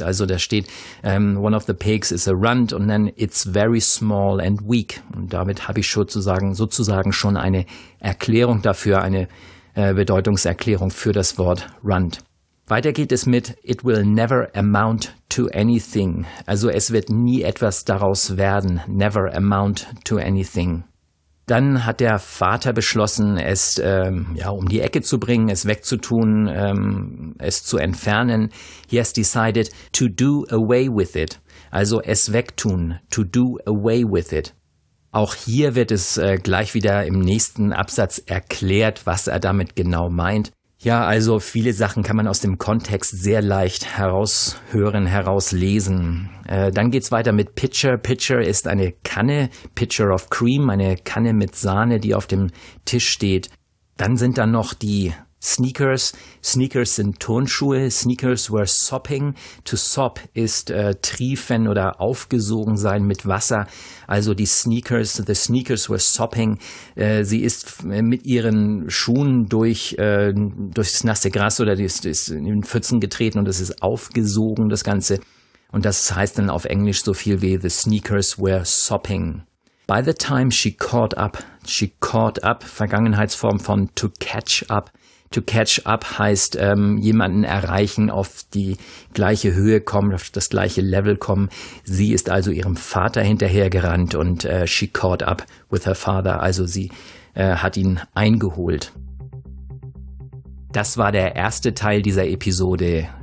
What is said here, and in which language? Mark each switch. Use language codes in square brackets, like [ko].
[de] Also da steht, [en] one of the pigs is a runt [de] und dann [en] it's very small and weak. [de] Und damit habe ich sozusagen schon eine Erklärung dafür, eine Bedeutungserklärung für das Wort runt. Weiter geht es mit [en] it will never amount to anything. [de] Also es wird nie etwas daraus werden. [en] Never amount to anything. [de] Dann hat der Vater beschlossen, es um die Ecke zu bringen, es wegzutun, es zu entfernen. [en] He has decided to do away with it, [de] also es wegtun, [en] to do away with it. [de] Auch hier wird es gleich wieder im nächsten Absatz erklärt, was er damit genau meint. Ja, also viele Sachen kann man aus dem Kontext sehr leicht heraushören, herauslesen. Dann geht's weiter mit Pitcher. Pitcher ist eine Kanne, [en] Pitcher of Cream, [de] eine Kanne mit Sahne, die auf dem Tisch steht. Dann sind da noch die Sneakers. Sneakers sind Turnschuhe. [en] Sneakers were sopping. To sop [de] ist triefen oder aufgesogen sein mit Wasser. Also die Sneakers, [en] the sneakers were sopping. [de] Sie ist mit ihren Schuhen durchs nasse Gras oder ist in den Pfützen getreten und es ist aufgesogen, das Ganze. Und das heißt dann auf Englisch so viel wie [en] the sneakers were sopping. By the time she caught up, [de] Vergangenheitsform von [en] to catch up. [de] To catch up heißt jemanden erreichen, auf die gleiche Höhe kommen, auf das gleiche Level kommen. Sie ist also ihrem Vater hinterhergerannt und [en] she caught up with her father. [de] Also sie hat ihn eingeholt. Das war der erste Teil dieser Episode.